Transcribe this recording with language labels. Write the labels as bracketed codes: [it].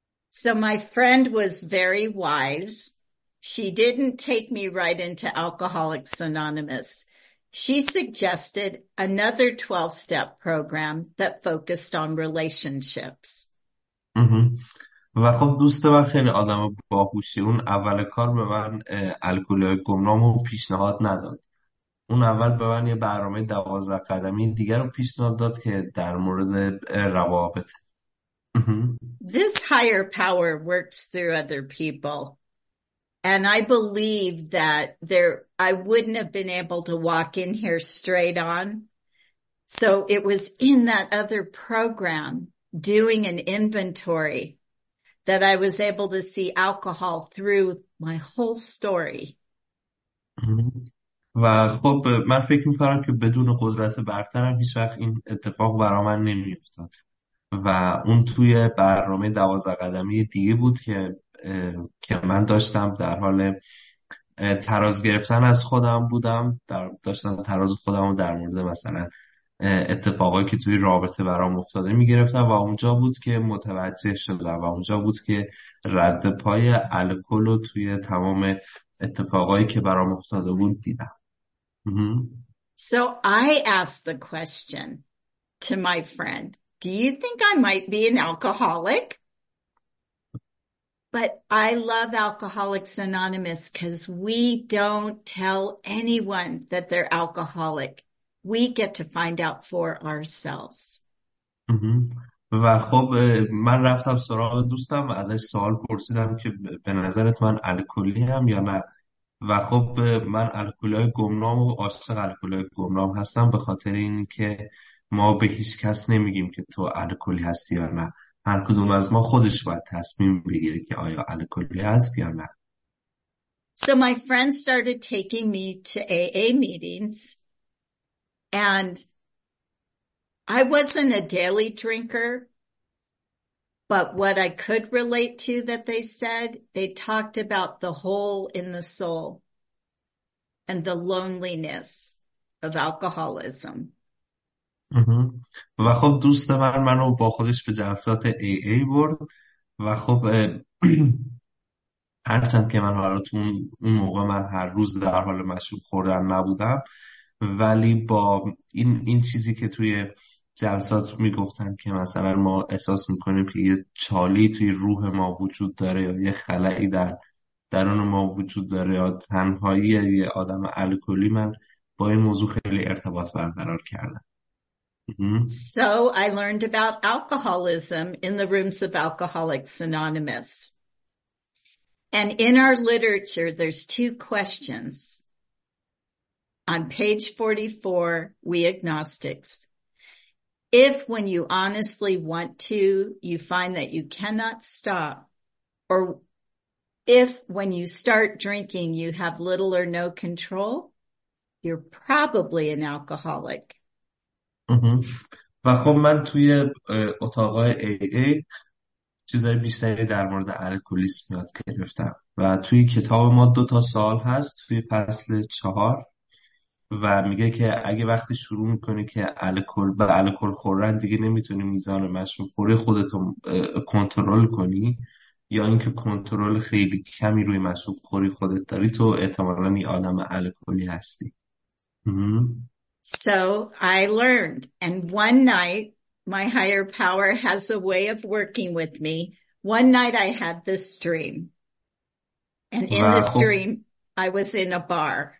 [en] So my friend was very wise. She didn't take me right into Alcoholics Anonymous. She suggested another 12-step program that focused on relationships. [fa] و خب دوست من خیلی آدم باهوشی، اون اول کار به من الکلی‌های گمنام رو پیشنهاد نداد. اون اول به من یه برنامه 12 قدمی دیگر رو پیشنهاد داد که در مورد روابط. [en] This higher power works through other people. And I believe that I wouldn't have been able to walk in here straight on. So it was in that other program, doing an inventory, that I was able to see alcohol through my whole story. [fa] و خب من فکر میکنم که بدون قدرت برترم هیچ وقت این اتفاق برای من نمیافتاد و اون توی برنامه 12 قدمی دیگه بود که من داشتم در حال تراز گرفتن از خودم بودم، داشتم تراز خودم رو در مورد مثلا اتفاقایی که توی رابطه برام افتاده میگرفتم و اونجا بود که متوجه شدم و اونجا بود که رد پای الکل رو توی تمام اتفاقایی که برام افتاده بود دیدم. [en] So I asked the question to my friend, do you think I might be an alcoholic? But I love Alcoholics Anonymous because we don't tell anyone that they're alcoholic. We get to find out for ourselves. [fa] و خب من رفتم سراغ دوستم و ازش سوال پرسیدم که به نظرت من الکلی هم یا نه، و خب من الکلی گمنام و عاشق الکلی گمنام هستم به خاطر این که ما به هیچ کس نمیگیم که تو الکلی هستی یا نه، هر کدوم از ما خودش باید تصمیم بگیره که آیا الکلی هست یا نه. [en] So my friend started taking me to AA meetings, and I wasn't a daily drinker, but what I could relate to that they said, they talked about the hole in the soul and the loneliness of alcoholism. [fa] و خب دوست من منو با خودش به جلسات AA برد و خب هرچند که من حالا تو اون موقع من هر روز در حال مشروب خوردن نبودم، ولی با این چیزی که توی جلسات میگفتن که مثلا ما احساس میکنیم که یه چالی توی روح ما وجود داره یا یه خلایی در درون ما وجود داره یا تنهایی یه آدم الکلی، من با این موضوع خیلی ارتباط برقرار کردم. [en] So I learned about alcoholism in the rooms of Alcoholics Anonymous. And in our literature, there's two questions. On page 44, we agnostics. If when you honestly want to, you find that you cannot stop, or if when you start drinking, you have little or no control, you're probably an alcoholic. [fa] و خب من توی اتاقای AA چیزای بیشتری در مورد الکلیسم یاد گرفتم و توی کتاب ما دو تا سوال هست توی فصل 4 و میگه که اگه وقتی شروع میکنی که الکل به الکل خوردن دیگه نمیتونی میزان مشروب خوری خودتو کنترل کنی یا اینکه کنترل خیلی کمی روی مشروب خوری خودت داری تو احتمالا یه آدم الکلی هستی. [en] So I learned, and one night my higher power has a way of working with me. One night I had this dream, and in this dream I was in a bar.